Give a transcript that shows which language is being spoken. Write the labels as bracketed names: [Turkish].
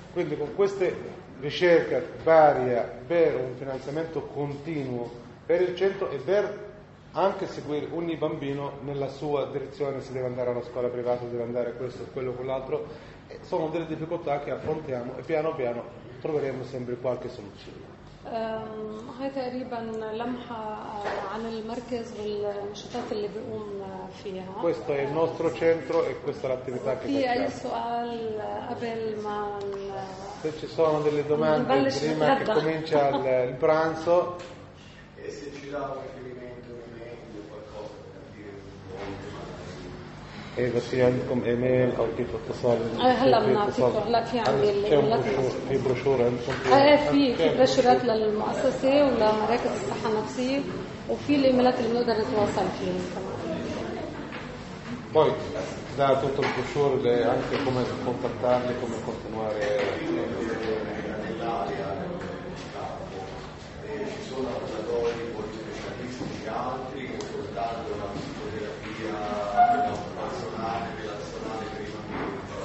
[Italian] Quindi con queste ricerche varie per un finanziamento continuo per il centro e per anche seguire ogni bambino nella sua direzione, se deve andare alla scuola privata, deve andare questo, quello, quell'altro, sono delle difficoltà che affrontiamo e piano piano troveremo sempre qualche soluzione. [Arabic] هاي تقريبا لمحة عن المركز والنشاطات اللي بيقوم فيها. [Italian] Questo è il nostro centro e questa è l'attività che facciamo. Sì, adesso al Abel ma se ci sono delle domande prima che comincia il pranzo e se ci dà un riferimento un email o qualcosa per dire un po' di email o tipo اتصال [Arabic] هلا بنعطيكم هلا في عندي في بروشور في بروشورات للمؤسسة ولمراكز الصحة النفسية وفي الايميلات اللي بنقدر نتواصل فيهم كمان. [Italian] Poi da tutto il brochure anche come contattarli, come continuare nell'area del campo. E ci sono operatori poliespecialistici altri, soltanto la psicoterapia personale, relazionale per i bambini.